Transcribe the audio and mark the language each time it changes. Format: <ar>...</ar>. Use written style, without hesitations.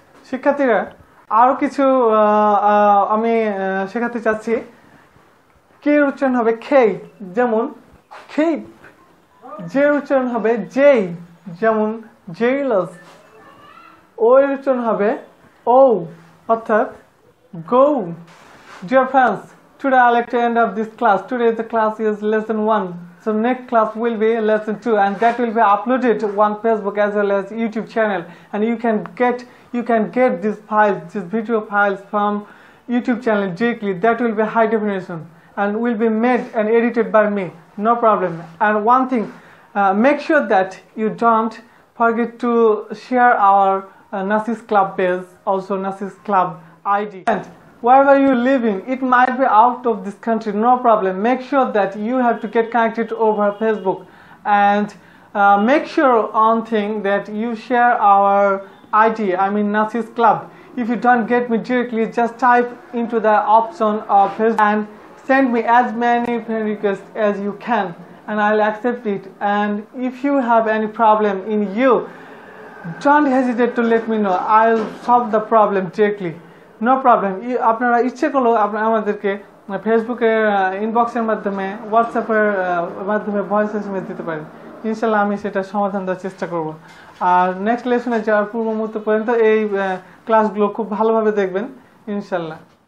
<bn>শিক্ষার্থীরা, আরও কিছু আমি শেখাতে চাচ্ছি। কে উচ্চারণ হবে খেই, যেমন খেই। যে উচ্চারণ হবে জেই, যেমন জেইলস। ও এর উচ্চারণ হবে ও, অর্থাৎ go.</bn> <en>Dear friends, today I'll like to end of this class. Today the class is lesson 1, so next class will be lesson 2, and that will be uploaded on Facebook as well as YouTube channel, and you can get these files, these video files from YouTube channel directly. That will be high definition and will be made and edited by me, no problem. And one thing, make sure that you don't forget to share our Nasirs Club page, also Nasirs Club ID. And wherever you live in, it might be out of this country, no problem. Make sure that you have to get connected over Facebook, and make sure one thing, that you share our ID, I mean Nasirs Club. If you don't get me directly, just type into the option of Facebook and send me as many friend requests as you can, and I'll accept it. And if you have any problem in you, don't hesitate to let me know. I'll solve the problem directly. No problem.</en> <bn>আপনারা ইচ্ছে করলেও আপনারা আমাদেরকে ফেসবুকের ইনবক্সের মাধ্যমে, হোয়াটসঅ্যাপের মাধ্যমে voice message দিতে পারেন। ইনশাআল্লাহ আমি সেটা সমাধান দেওয়ার চেষ্টা করব। আর নেক্সট লেসনে যাওয়ার পূর্ব মুহূর্ত পর্যন্ত এই ক্লাসগুলো খুব ভালোভাবে দেখবেন ইনশাআল্লাহ।</bn>